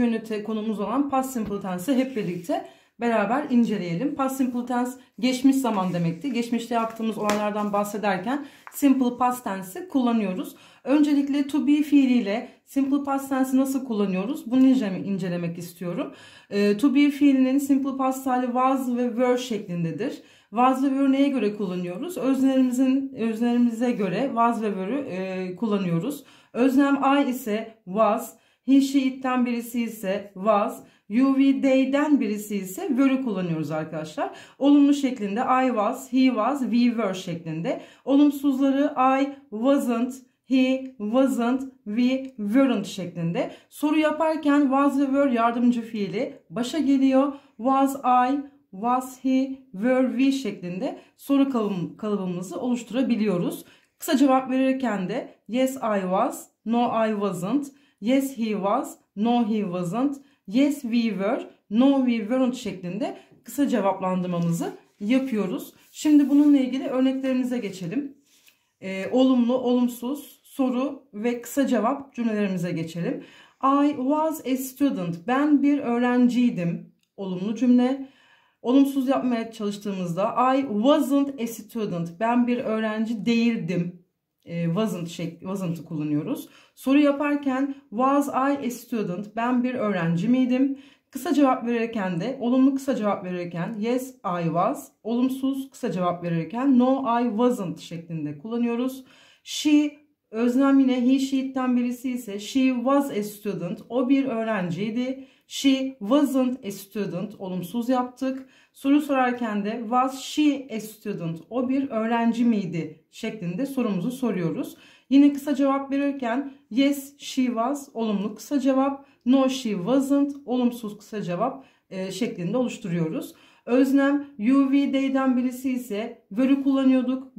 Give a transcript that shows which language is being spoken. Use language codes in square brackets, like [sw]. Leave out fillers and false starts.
[tr] ünite konumuz olan past simple tense'i hep birlikte beraber inceleyelim. Past simple tense geçmiş zaman demekti. Geçmişte yaptığımız olaylardan bahsederken simple past tense'i kullanıyoruz. Öncelikle to be fiiliyle simple past tense'i nasıl kullanıyoruz? Bunu incelemek istiyorum. To be fiilinin simple past hali was ve were şeklindedir. Was ve were neye göre kullanıyoruz? Öznelerimize göre was ve were'ü kullanıyoruz. Öznem I ise was, he, she, it'ten birisi ise was, you, we, they'den birisi ise were'ü kullanıyoruz arkadaşlar. Olumlu şeklinde [en] I was, he was, we were [tr] şeklinde. Olumsuzları [en] I wasn't, he wasn't, we weren't [tr] şeklinde. Soru yaparken was ve were yardımcı fiili başa geliyor. [en] Was I, was he, were we [tr] şeklinde soru kalıbımızı oluşturabiliyoruz. Kısa cevap verirken de [en] yes I was, no I wasn't, yes he was, no he wasn't, yes we were, no we weren't [tr] şeklinde kısa cevaplandırmamızı yapıyoruz. Şimdi bununla ilgili örneklerimize geçelim. Olumlu, olumsuz, soru ve kısa cevap cümlelerimize geçelim. [en] I was a student. [tr] Ben bir öğrenciydim. Olumlu cümle. Olumsuz yapmaya çalıştığımızda [en] I wasn't a student. [tr] Ben bir öğrenci değildim. Wasn't'ı kullanıyoruz. Soru yaparken [en] was I a student? [tr] Ben bir öğrenci miydim? Kısa cevap verirken de olumlu kısa cevap verirken [en] yes I was. [tr] Olumsuz kısa cevap verirken [en] no I wasn't [tr] şeklinde kullanıyoruz. [en] She [tr] öznem yine [en] he she it'ten [tr] birisi ise [en] she was a student. [tr] O bir öğrenciydi. [en] She wasn't a student. [tr] Olumsuz yaptık. Soru sorarken de [en] was she a student? [tr] O bir öğrenci miydi? Şeklinde sorumuzu soruyoruz. Yine kısa cevap verirken [en] yes she was. [tr] Olumlu kısa cevap. [en] No she wasn't. [tr] Olumsuz kısa cevap şeklinde oluşturuyoruz. Öznem you we they'den birisi ise were'ü kullanıyorduk.